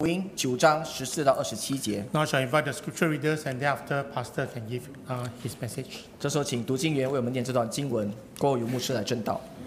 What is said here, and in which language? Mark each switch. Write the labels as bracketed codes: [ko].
[zh] 福音九章十四到二十七节。 [en] Now shall invite the scripture readers, and thereafter, pastor can give his message. [zh] 这时候，请读经员为我们念这段经文，过后由牧师来证道。